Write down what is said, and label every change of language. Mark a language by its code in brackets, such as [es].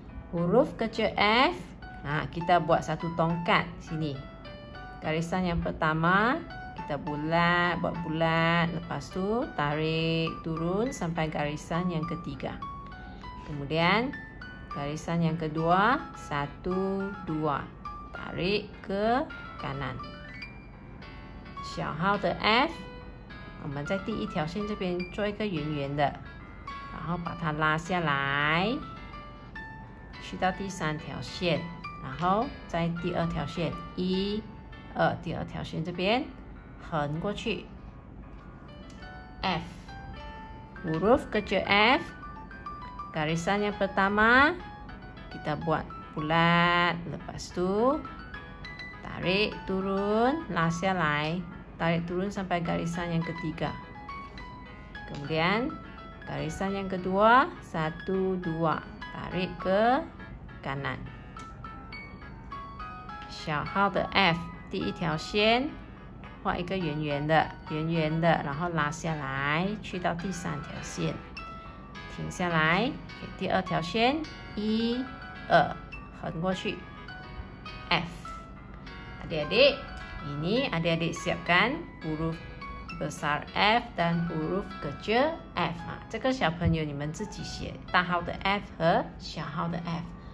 [ms] huruf kecil F， 啊， kita buat satu tongkat sini， garisan yang pertama kita bulat， buat bulat， lepas tu tarik turun sampai garisan yang ketiga， kemudian garisan yang kedua, satu, dua. Tarik ke kanan. [zh] 小号的 F, 我们在第一条线这边做一个圆圆的，然后把它拉下来，去到第三条线，然后在第二条线，一、二，第二条线这边横过去。 [ms] F, huruf kecil F, garisan yang pertama,kita buat bulat, lepas tu tarik turun, lasialai, tarik turun sampai garisan yang ketiga. Kemudian garisan yang kedua, satu, dua, tarik ke kanan. [zh] 小号的 F, 第一条线画一个圆圆的，圆圆的，然后拉下来，去到第三条线，停下来。 Okay, 第二条线一。横过去 [ms] F， adik-adik ini adik-adik siapkan huruf besar F dan huruf kecil F、啊、 [zh] 这个小朋友你们自己写大号的 F 和小号的 F。